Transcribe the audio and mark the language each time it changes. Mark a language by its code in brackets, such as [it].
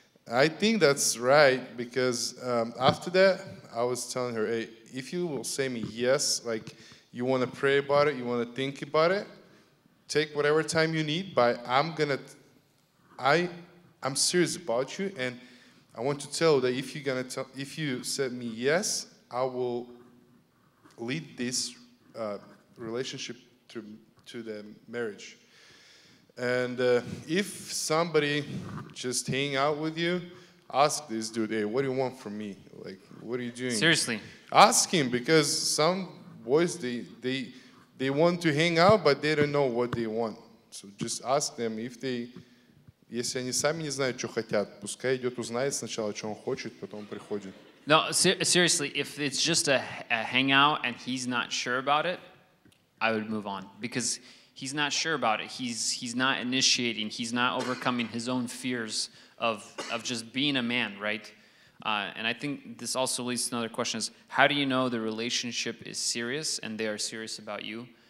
[en] I think that's right because after that, I was telling her, hey, if you will say me yes, like, you want to pray about it, you want to think about it, take whatever time you need, but I'm serious about you, and I want to tell that if you said me yes, I will lead this relationship to the marriage. And if somebody just hang out with you, ask this dude, hey, what do you want from me? Like, what are you doing? Seriously. Ask him, because some boys, they want to hang out, but they don't know what they want. So just ask them [ru] если они сами не знают, что хотят, пускай идет узнает сначала, что он хочет, потом приходит. [en] No, seriously, if it's just a hangout and he's not sure about it, I would move on. Because he's not sure about it. He's not initiating. He's not overcoming his own fears of just being a man, right? And I think this also leads to another question is, how do you know the relationship is serious and they are serious about you?